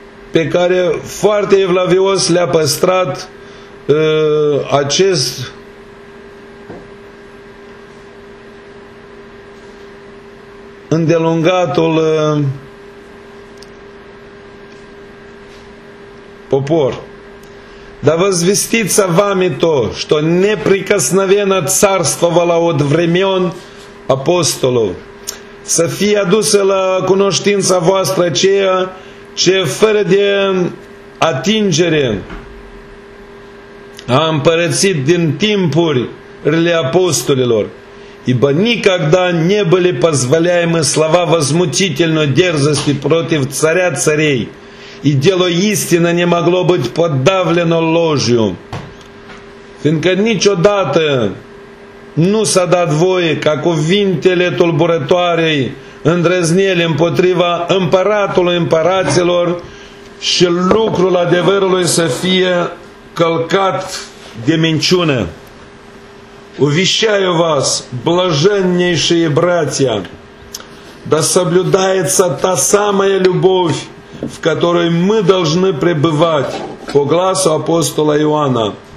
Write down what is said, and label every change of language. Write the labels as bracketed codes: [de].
[ro] pe care foarte evlavios le-a păstrat acest îndelungatul popor. [ru] Да возвестится вами то, что неприкосновенно царствовало от времен апостолов. [ro] Să fie adusă la cunoștința voastră ceea ce fără de atingere a împărățit din timpurile apostolilor. [ru] Ибо никогда не были позволяемы слова возмутительной дерзости против царя царей, и дело истины не могло быть подавлено ложью. [ro] Фиindcă niciodată nu s-a dat voie ca cuvintele tulburătoarei îndrăznieli împotriva împăratului împăraților și lucrul adevărului să fie călcat de minciună. [ru] Увещаю вас, блаженнейшие братья, да соблюдается та самая любовь, в которой мы должны пребывать, по гласу апостола Иоанна.